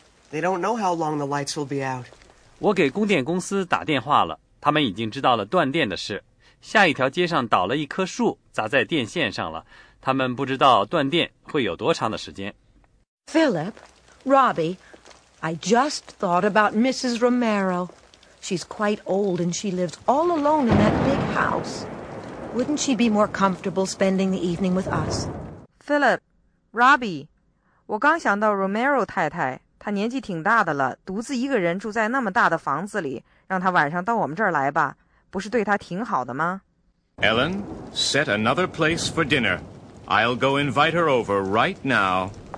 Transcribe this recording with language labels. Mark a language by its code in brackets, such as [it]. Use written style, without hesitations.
[en] They don't know how long the lights will be out. [zh] 我给供电公司打电话了，他们已经知道了断电的事。下一条街上倒了一棵树，砸在电线上了，他们不知道断电会有多长的时间。 [en] Philip, Robbie, I just thought about Mrs. Romero. She's quite old and she lives all alone in that big house. Wouldn't she be more comfortable spending the evening with us? [zh] Philip, Robbie, 我刚想到 Romero 太太。他年纪挺大的了，独自一个人住在那么大的房子里，让他晚上到我们这儿来吧，不是对他挺好的吗？ [en] Ellen, set another place for dinner. I'll go invite her over right now.